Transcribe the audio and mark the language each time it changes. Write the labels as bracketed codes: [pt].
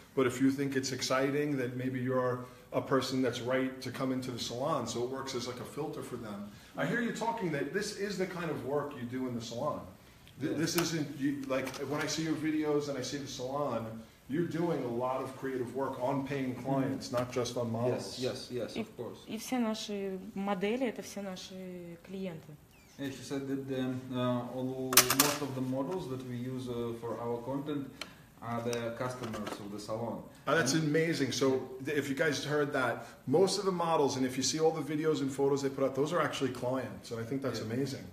[en] But if you think it's exciting, then maybe you're a person that's right to come into the salon. So it works as like a filter for them. I hear you talking that this is the kind of work you do in the salon. This isn't, you, like, when I see your videos and I see the salon, you're doing a lot of creative work on paying clients, not just on models. Yes, yes, yes, of course. [ru] И все наши модели, это все наши клиенты. [en] Yeah, she said that most of the models that we use for our content are the customers of the salon. Oh, that's amazing. So if you guys heard that, most of the models, and if you see all the videos and photos they put out, those are actually clients. And I think that's amazing.